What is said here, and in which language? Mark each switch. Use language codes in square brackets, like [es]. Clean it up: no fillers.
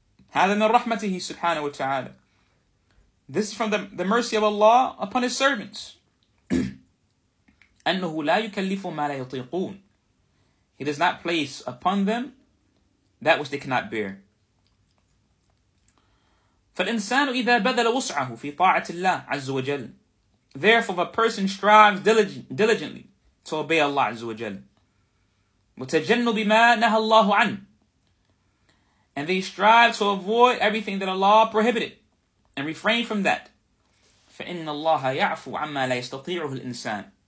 [ar] هذا من رحمته [en] subhanahu wa ta'ala. This is from the mercy of Allah upon His servants. [ar] أنه لا يكلف ما لا يطيقون. [en] He does not place upon them that which they cannot bear. [ar] فالإنسان إذا بذل وسعه في طاعة الله عز وجل. [en] Therefore, if a person strives diligently to obey Allah Azza wa Jalla, [ar] وَتَجَنُّبِ مَا نَهَى اللَّهُ عَنْ, [en] and they strive to avoid everything that Allah prohibited and refrain from that, [ar] فَإِنَّ اللَّهَ يَعْفُ عَمَّا لَا يَسْتَطِيعُهُ الْإِنسَانِ.